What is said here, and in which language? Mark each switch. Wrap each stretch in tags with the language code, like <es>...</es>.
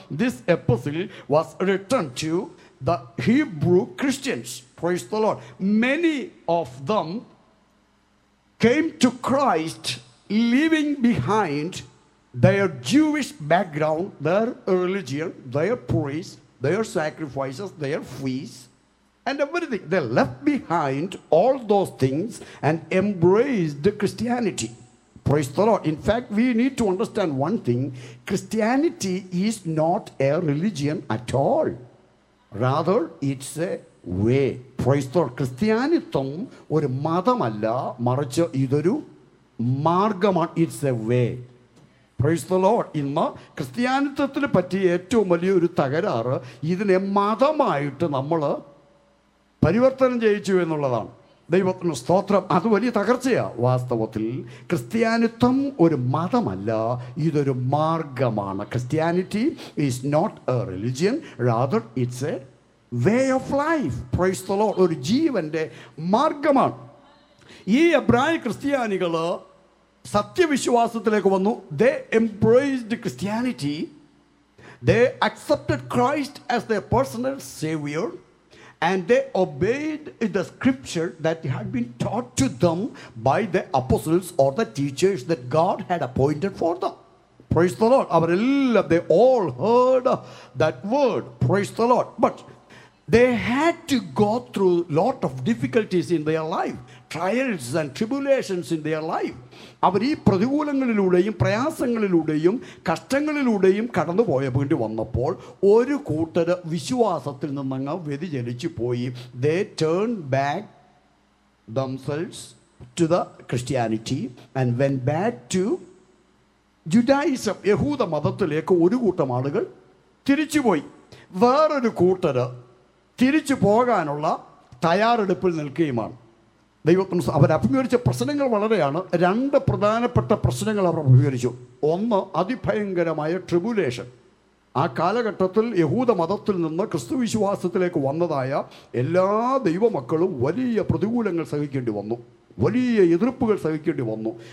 <en>This epistle was return to the Hebrew Christians. Praise the Lord. Many of them came to Christ living behind there Jewish background, there religion, there price, there sacrifices, there fees and everything. They left behind all those things and embraced Christianity. Praise the Lord. In fact, we need to understand one thing. Christianity is not a religion at all. Rather, it's a way. Praise the Lord.</en> <ml>Christianitham oru mathamalla, marichu idoru margamaan.</ml> <en>It's a way. Praise the Lord.</en> <ml>ഇന്ന് ക്രിസ്ത്യാനിത്വത്തിന് പറ്റിയ ഏറ്റവും വലിയൊരു തകരാറ് ഇതിനെ മതമായിട്ട് നമ്മൾ പരിവർത്തനം ചെയ്യിച്ചു എന്നുള്ളതാണ്. ദൈവത്തിന് സ്തോത്രം. അത് വലിയ തകർച്ചയാണ്. വാസ്തവത്തിൽ ക്രിസ്ത്യാനിത്വം ഒരു മതമല്ല, ഇതൊരു മാർഗമാണ്.</ml> <en>Christianity is not a religion, rather it's a way of life. Praise the Lord.</en> <ml>ഒരു ജീവൻ്റെ മാർഗമാണ്. ഈ എബ്രായ ക്രിസ്ത്യാനികൾ സത്യവിശ്വാസത്തിലേക്ക് വന്നു.</ml> <en>They embraced Christianity. They accepted Christ as their personal savior and they obeyed the scripture that had been taught to them by the apostles or the teachers that God had appointed for them. Praise the Lord. They all heard that word. Praise the Lord. But they had to go through a lot of difficulties in their life. Trials and tribulations in their life.</en> <ml>അവർ ഈ പ്രതികൂലങ്ങളിലൂടെയും പ്രയാസങ്ങളിലൂടെയും കഷ്ടങ്ങളിലൂടെയും കടന്നുപോയപ്പോണ്ടി വന്നപ്പോൾ ഒരു കൂട്ടർ വിശ്വാസത്തിൽ നിന്നങ്ങ് വ്യതിചലിച്ചു പോയി.</ml> <en>They turned back themselves to the Christianity and went back to Judaism.</en> <ml>യഹൂദ മതത്തിലേക്ക് ഒരു കൂട്ടം ആളുകൾ തിരിച്ചുപോയി. വേറൊരു കൂട്ടർ തിരിച്ചു പോകാനുള്ള തയ്യാറെടുപ്പിൽ നിൽക്കുകയുമാണ്. ദൈവത്തിന് അവർ അഭിമുഖീകരിച്ച പ്രശ്നങ്ങൾ വളരെയാണ്. രണ്ട് പ്രധാനപ്പെട്ട പ്രശ്നങ്ങൾ അവർ അഭിമുഖീകരിച്ചു. ഒന്ന്, അതിഭയങ്കരമായ ട്രിബുലേഷൻ. ആ കാലഘട്ടത്തിൽ യഹൂദ മതത്തിൽ നിന്ന് ക്രിസ്തു വിശ്വാസത്തിലേക്ക് വന്നതായ എല്ലാ ദൈവമക്കളും വലിയ പ്രതികൂലങ്ങൾ സഹിക്കേണ്ടി വന്നു, വലിയ എതിർപ്പുകൾ സഹിക്കേണ്ടി വന്നു.</ml>